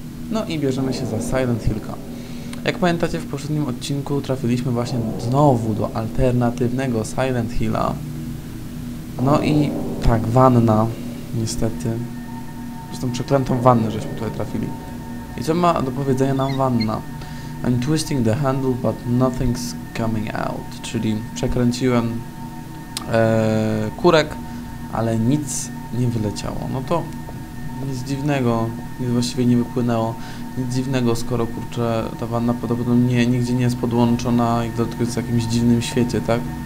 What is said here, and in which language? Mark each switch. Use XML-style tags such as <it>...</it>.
<pl>No i bierzemy się za Silent Hillka. Jak pamiętacie, w poprzednim odcinku trafiliśmy właśnie znowu do alternatywnego Silent Hilla. No i tak, wanna, niestety. Z tą przeklętą wannę, żeśmy tutaj trafili. I co ma do powiedzenia nam wanna?</pl> <en>I'm twisting the handle, but nothing's coming out.</en> <pl>Czyli przekręciłem kurek, ale nic nie wyleciało. No to nic dziwnego, nic właściwie nie wypłynęło. Nic dziwnego, skoro kurczę, ta wanna podobno nigdzie nie jest podłączona i tylko jest w jakimś dziwnym świecie, tak?</pl>